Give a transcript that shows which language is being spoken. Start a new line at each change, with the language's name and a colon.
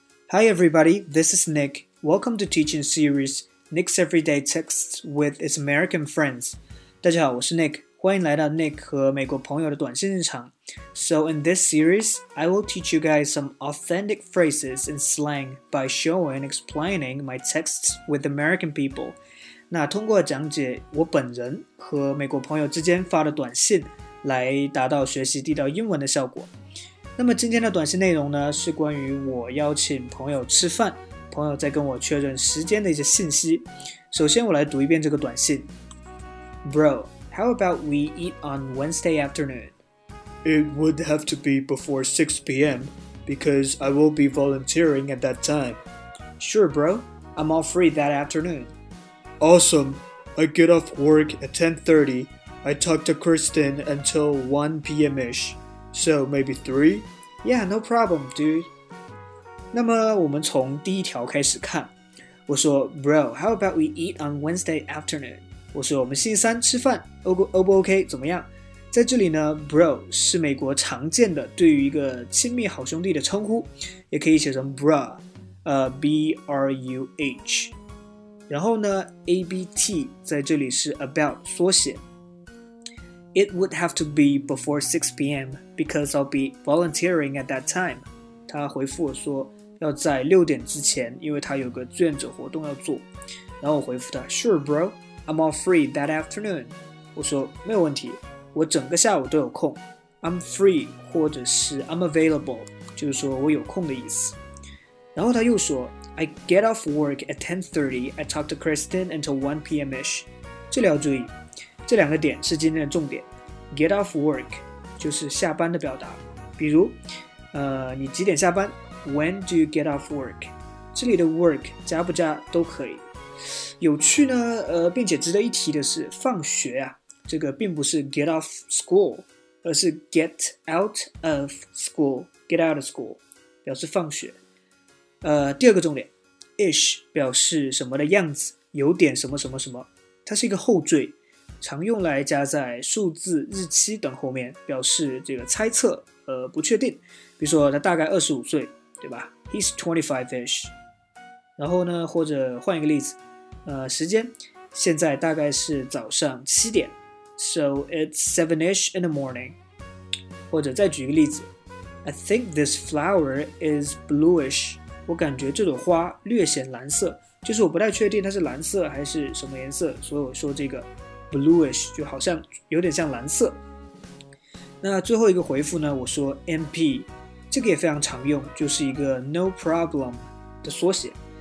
English: Hi everybody, this is Nick. Welcome to teaching series Nick's Everyday Texts with his American Friends.
Chinese: 大家好，我是 Nick， 欢迎来到 Nick 和美国朋友的短信日常。
English: So in this series, I will teach you guys some authentic phrases and slang by showing and explaining my texts with American people.
Chinese: 那通过讲解我本人和美国朋友之间发的短信，来达到学习地道英文的效果。那么今天的短信内容呢，是关于我邀请朋友吃饭，朋友在跟我确认时间的一些信息。首先我来读一遍这个短信。
English: Bro, how about we eat on Wednesday afternoon? It would have to be before 6 p.m. because I will be volunteering at that time. Sure, bro. I'm all free that afternoon. Awesome. I get off work at 10:30. I talk to Kristen until 1 p.m.-ish. So, maybe 3? Yeah, no problem, dude.
Chinese: 那么我们从第一条开始看。我说
English: Bro, how about we eat on Wednesday afternoon?
Chinese: 我说我们星期三吃饭 ,OK, 怎么样？在这里呢 ,Bro 是美国常见的对于一个亲密好兄弟的称呼，也可以写成 Bra, B-R-U-H。然后呢 ,ABT 在这里是 about 缩写。
English: It would have to be before 6 p.m. because I'll be volunteering at that time.
Chinese: 他回复我说要在六点之前，因为他有个志愿者活动要做。然后我回复他
English: ,Sure, bro, I'm all free that afternoon.
Chinese: 我说没有问题，我整个下午都有空。
English: I'm free
Chinese: 或者是
English: I'm available,
Chinese: 就是说我有空的意思。然后他又说
English: ,I get off work at 10:30, I talk to Kristen until 1 p.m.-ish.
Chinese: 这里要注意。这两个点是今天的重点。 Get off work 就是下班的表达，比如，你几点下班 ？
English: When do you get off work？
Chinese: 这里的 work 加不加都可以。有趣呢，并且值得一提的是，放学啊，这个并不是 get off school， 而是 get out of school， get out of school 表示放学。第二个重点 ，ish 表示什么的样子，有点什么什么什么，它是一个后缀。常用来加在数字、日期等后面，表示这个猜测，不确定。比如说，他大概25岁，对吧 ？
English: He's 25-ish。
Chinese: 然后呢，或者换一个例子，时间现在大概是早上7点 ，
English: So it's 7-ish in the morning。
Chinese: 或者再举一个例子 ，
English: I think this flower is bluish。
Chinese: 我感觉这朵花略显蓝色，就是我不太确定它是蓝色还是什么颜色，所以我说这个。 Bluish 就好像有点像蓝色。那最后一个回复呢，我说 MP 这个也非常常用，就是一个 no problem 的缩写。